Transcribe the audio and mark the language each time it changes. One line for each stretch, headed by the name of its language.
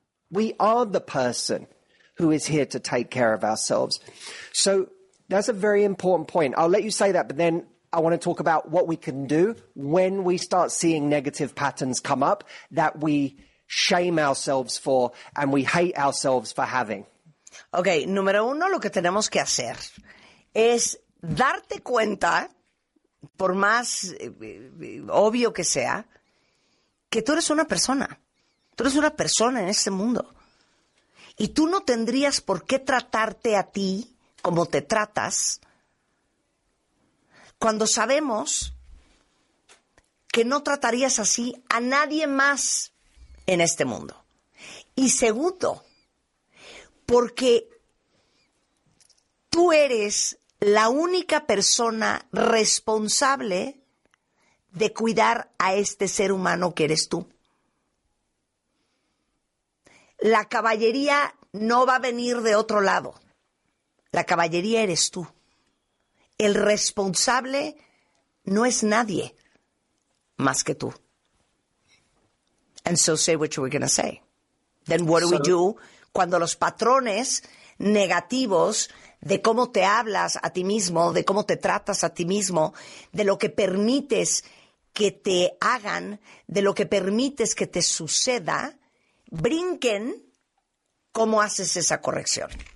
English: We are the person who is here to take care of ourselves. So that's a very important point. I'll let you say that, but then I want to talk about what we can do when we start seeing negative patterns come up that we shame ourselves for and we hate ourselves for having.
Spanish: Okay, número uno, lo que tenemos que hacer es darte cuenta, por más obvio que sea, que tú eres una persona. Tú eres una persona en este mundo. Y tú no tendrías por qué tratarte a ti como te tratas cuando sabemos que no tratarías así a nadie más en este mundo. Y segundo, porque tú eres la única persona responsable de cuidar a este ser humano que eres tú. La caballería no va a venir de otro lado. La caballería eres tú. El responsable no es nadie más que tú.
English: And so say what you were going to say. Then what do we do
Spanish: cuando los patrones negativos de cómo te hablas a ti mismo, de cómo te tratas a ti mismo, de lo que permites que te hagan, de lo que permites que te suceda, brinquen, cómo haces esa corrección?